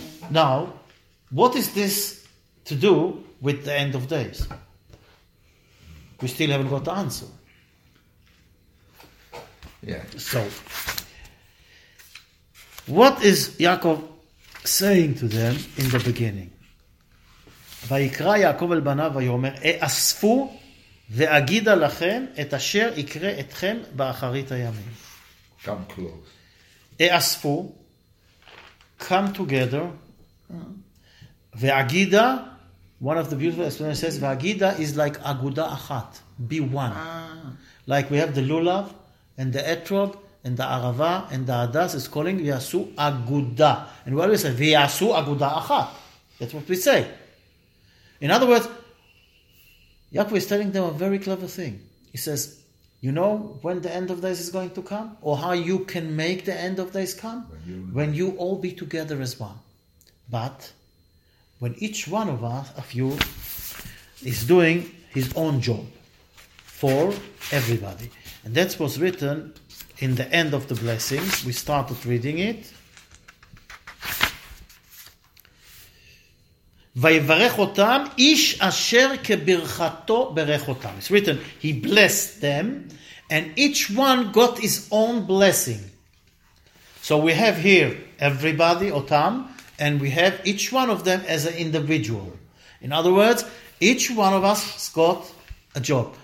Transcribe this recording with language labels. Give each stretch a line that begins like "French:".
English: Now, what is this to do with the end of days? We still haven't got the answer. Yeah. So, what is Yaakov saying to them in the beginning?
Hebrew: ויקרא יעקב אל בניו ויאמר אספו ואגידה לכם את אשר יקרה אתכם באחרית הימים.
English: Come close. אספו, come together. ואגידה, one of the beautiful explanations says, ואגידה is like
Hebrew: אגודה אחת,
English: be one. Like we have the lulav and the etrog and the ערבה and the הדס is calling
Hebrew: ויעשו אגודה.
English: And what do we say?
Hebrew: ויעשו אגודה אחת.
English: That's what we say. In other words, Yaakov is telling them a very clever thing. He says, you know when the end of days is going to come? Or how you can make the end of days come? When you all be together as one. But when each one of us, of you, is doing his own job for everybody. And that was written in the end of the blessings. We started reading it.
Hebrew: ויברך אותם איש אשר כברכתו ברך אותם.
English: It's written, he blessed them, and each one got his own blessing. So we have here everybody, אותם, and we have each one of them as an individual. In other words, each one of us has got a job.